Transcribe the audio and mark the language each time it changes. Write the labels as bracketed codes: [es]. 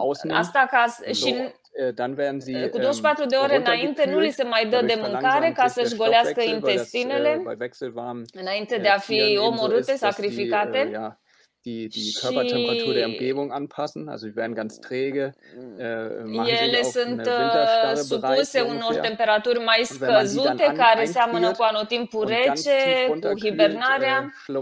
[ro] Asta ca și cu 24 de ore înainte nu li se mai dă de mâncare ca să-și golească intestinele înainte de a fi omorâte, sacrificate. [de] Die Körpertemperatur der Umgebung anpassen, also sie werden ganz träge, [ro] ele sunt supuse unor temperaturi mai scăzute care seamănă cu anotimpul rece, cu hibernarea